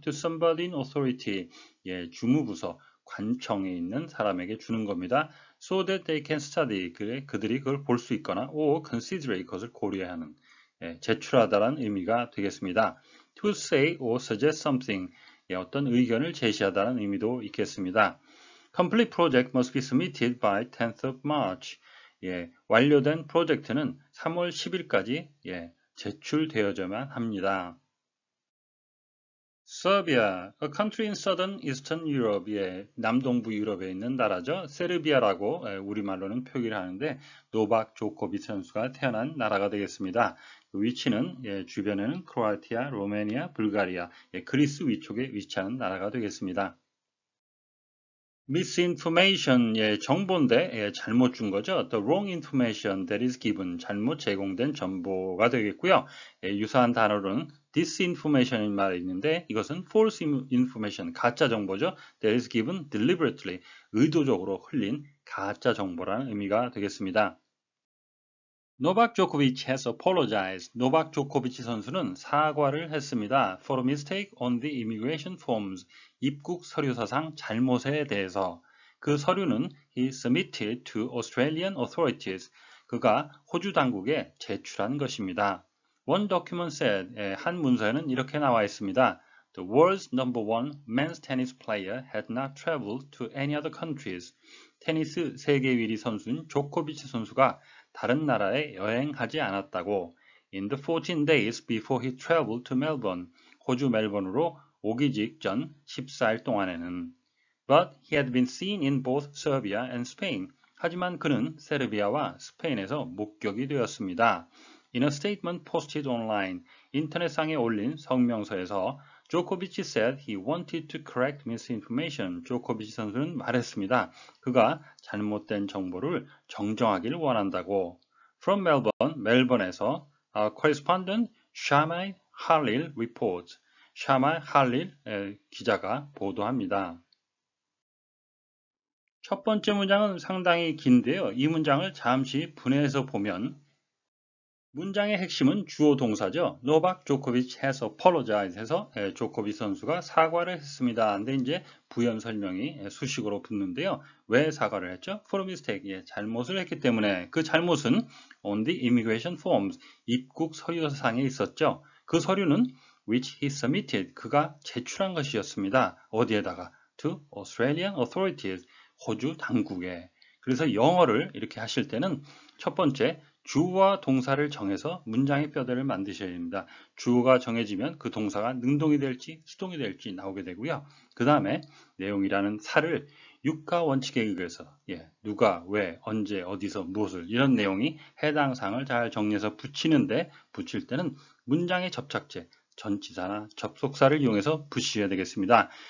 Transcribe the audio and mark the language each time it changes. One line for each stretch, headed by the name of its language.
English: To somebody in authority,
Korean: 주무부서, 관청에 있는 사람에게 주는 겁니다.
English: So that they can study,
Korean: 그들이 그걸 볼수 있거나
English: or consider
Korean: 이것을 고려하는, 제출하다라는 의미가 되겠습니다.
English: To say or suggest something,
Korean: 어떤 의견을 제시하다는 의미도 있겠습니다.
English: Complete project must be submitted by 10th of March.
Korean: 예, 완료된 프로젝트는 3월 10일까지 예, 제출되어져야만 합니다.
English: Serbia, a country in southern eastern Europe,
Korean: 예, 남동부 유럽에 있는 나라죠. 세르비아라고 예, 우리말로는 표기를 하는데 노박 조코비치 선수가 태어난 나라가 되겠습니다. 그 위치는 예, 주변에는 크로아티아, 루마니아, 불가리아, 예, 그리스 위쪽에 위치하는 나라가 되겠습니다. Misinformation, 예, 정보인데 예, 잘못 준 거죠.
English: The wrong information that is given, 잘못 제공된 정보가 되겠고요.
Korean: 예, 유사한 단어로는 disinformation이 말이 있는데 이것은
English: false information,
Korean: 가짜 정보죠. That is given deliberately, 의도적으로 흘린 가짜 정보라는 의미가 되겠습니다.
English: Novak Djokovic has apologized.
Korean: 노박 조코비치 선수는 사과를 했습니다.
English: For a mistake on the immigration forms, 입국 서류사상 잘못에 대해서.
Korean: 그 서류는
English: he submitted to Australian authorities.
Korean: 그가 호주 당국에 제출한 것입니다.
English: One document said,
Korean: 한 문서에는 이렇게 나와 있습니다.
English: The world's number one men's tennis player had not traveled to any other countries.
Korean: 테니스 세계 1위 선수인 조코비치 선수가 다른 나라에 여행하지 않았다고.
English: In the 14 days before he traveled to Melbourne, 호주 멜번으로 오기 직전 14일 동안에는. But he had been seen in both Serbia and Spain.
Korean: 하지만 그는 세르비아와 스페인에서 목격이 되었습니다.
English: In a statement posted online,
Korean: 인터넷상에 올린 성명서에서
English: 조코비치 said he wanted to correct misinformation.
Korean: 조코비치 선수는 말했습니다. 그가 잘못된 정보를 정정하길 원한다고.
English: From Melbourne,
Korean: 멜번에서
English: correspondent Shamai Halil reports.
Korean: Shamai Halil 기자가 보도합니다. 첫 번째 문장은 상당히 긴데요. 이 문장을 잠시 분해해서 보면 문장의 핵심은 주어 동사죠.
English: Novak Djokovic has apologized
Korean: 해서 조코비치 선수가 사과를 했습니다. 근데 이제 부연 설명이 수식으로 붙는데요. 왜 사과를 했죠?
English: For a mistake.
Korean: 예, 잘못을 했기 때문에. 그 잘못은
English: on the immigration forms.
Korean: 입국 서류상에 있었죠. 그 서류는
English: which he submitted.
Korean: 그가 제출한 것이었습니다. 어디에다가?
English: To Australian authorities.
Korean: 호주 당국에. 그래서 영어를 이렇게 하실 때는 첫 번째 주어와 동사를 정해서 문장의 뼈대를 만드셔야 됩니다. 주어가 정해지면 그 동사가 능동이 될지 수동이 될지 나오게 되고요. 그 다음에 내용이라는 사를 육가 원칙에 의해서 예, 누가, 왜, 언제, 어디서, 무엇을 이런 내용이 해당 사항을 잘 정리해서 붙이는데 붙일 때는 문장의 접착제, 전치사나 접속사를 이용해서 붙이셔야 되겠습니다.